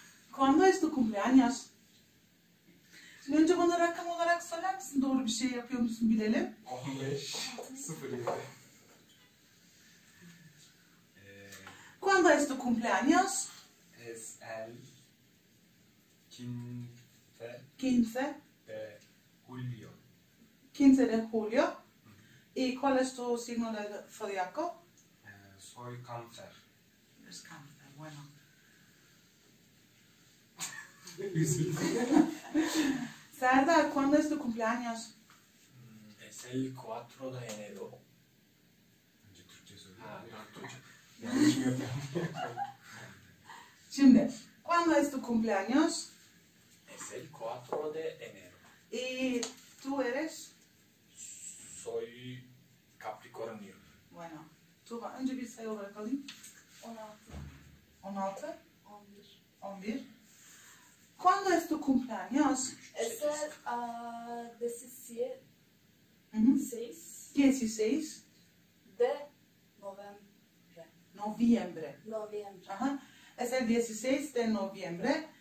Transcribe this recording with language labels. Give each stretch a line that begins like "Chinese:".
Spanish: ¿Cuándo es tu cumpleaños?
Turkish: Şimdi önce bana rakam olarak söyler misin? Doğru bir şey yapıyor musun bilelim. 15.07.
Spanish: ¿Cuándo es tu cumpleaños? Es el 15 de julio. 15 de julio. ¿Y cuál es tu signo de zodiaco? Soy cáncer. Es cáncer, bueno. Serdar, ¿cuándo es tu cumpleaños? Es el 4 de enero.
Turkish: Önce Türkçe söylüyor. Şimdi,
Spanish: ¿Cuándo es tu cumpleaños? Es el 4 de enero. ¿Y tú eres? Soy Capricornio.
Turkish: Bueno, Tuba, önce bir sayı olarak alayım. 16. 11.
Spanish: ¿Cuándo es tu cumpleaños? Es el 16. 16 de noviembre. Noviembre. Noviembre. Ajá. Es el 16 de noviembre.